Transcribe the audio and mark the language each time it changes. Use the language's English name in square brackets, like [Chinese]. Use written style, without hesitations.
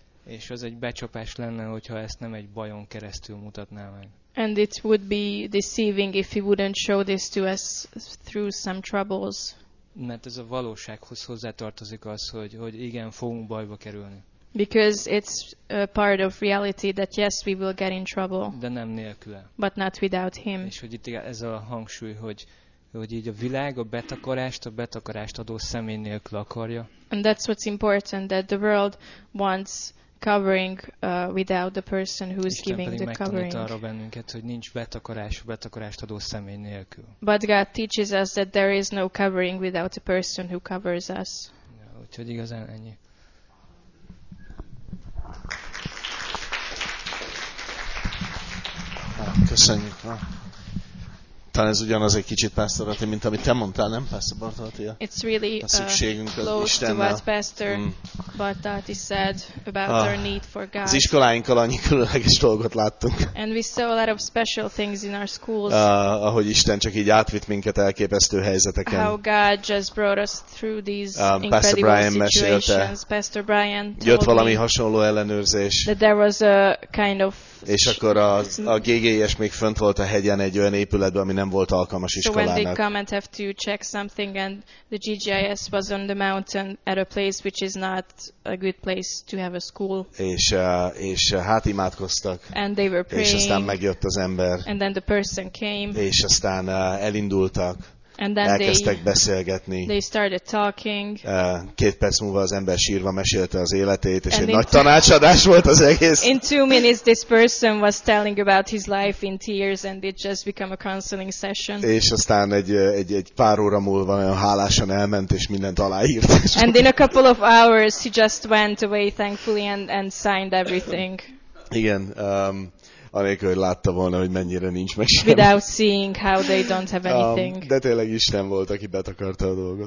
[Hungarian] És az egy becsapás lenne, hogyha ezt nem egy bajon keresztül mutatná meg. [English] And it would be deceiving if he wouldn't show this to us through some troubles. [Hungarian] Mert ez a valósághoz hozzátartozik az, hogy igen, fogunk bajba kerülni. [English] Because it's a part of reality that yes, we will get in trouble. [Hungarian] De nem nélküle. [English] But not without him. [Hungarian] És hogy itt ez a hangsúly, hogy így a világ a betakarást adó személy nélkül akarja. [English] And that's what's important, that the world wants covering without the person who is giving the covering. [Hungarian] Isten megtanít arra bennünket, hogy nincs betakarás a betakarást adó személy nélkül. [English] But God teaches us that there is no covering without a person who covers us. [Hungarian] Ja, úgyhogy igazán ennyi. Köszönjük. Talán ez ugyanaz egy kicsit, Pásztor Attila, mint amit te mondtál, nem, Pásztor Bartatia? [English] It's really a [Hungarian] szükségünk [English] close to what Pastor Bartati said about our need for God. [Hungarian] Az iskoláinkkal annyi különleges dolgot láttunk. [English] And we saw a lot of special things in our schools. [Hungarian] Ahogy Isten csak így átvitt minket elképesztő helyzeteken. [English] How God just brought us through these incredible situations. Pastor Brian told [Hungarian] Jött valami hasonló ellenőrzés. [English] That there was a kind of [Hungarian] És akkor a GGS még fönt volt a hegyen egy olyan épületben, ami nem volt alkalmas iskolának. [English] So when they come and have to check something and the GGS was on the mountain at a place which is not a good place to have a school. [Hungarian] És hát imádkoztak. [English] And they were praying. [Hungarian] És aztán megjött az ember. [English] And then the person came. [Hungarian] És aztán elindultak. [English] And then [Hungarian] elkezdtek beszélgetni. [English] They started talking. [Hungarian] Két perc múlva az ember sírva mesélte az életét, és egy nagy tanácsadás volt az egész. [English] In 2 minutes this person was telling about his life in tears and it just became a counseling session. [Hungarian] És aztán egy pár óra múlva olyan hálásan elment és mindent aláírt. [English] And in a couple of hours he just went away thankfully and signed everything. [Hungarian] Igen, anélkül, hogy látta volna, hogy mennyire nincs meg semmi. [English] Without seeing how they don't have anything. [Hungarian] De tényleg Isten volt, aki betakarta a dolgot.